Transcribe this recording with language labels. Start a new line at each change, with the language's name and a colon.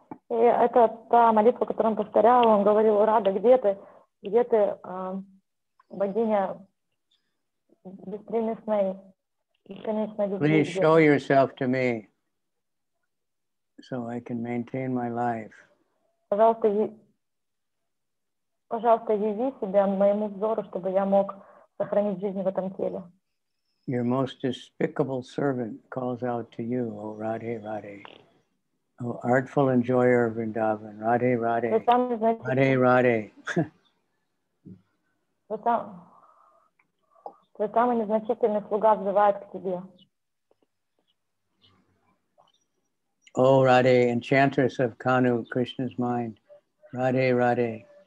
Russian: И это та молитва, которую он повторял. Он говорил: «Рада, где ты? Где ты, богиня беспримесной и конечной любви?»
English: Please show yourself to me so I can maintain my life.
Russian: Пожалуйста, яви себя моему взору, чтобы я мог сохранить жизнь в этом теле.
English: Your most despicable servant calls out to you, O Radhe Radhe. O artful enjoyer of Vrindavan, Radhe Radhe, Radhe Radhe.
Russian: Твой самый незначительный слуга взывает к тебе.
English: О, Радхе, enchantress of Kanu, Krishna's mind, Радхе, Радхе.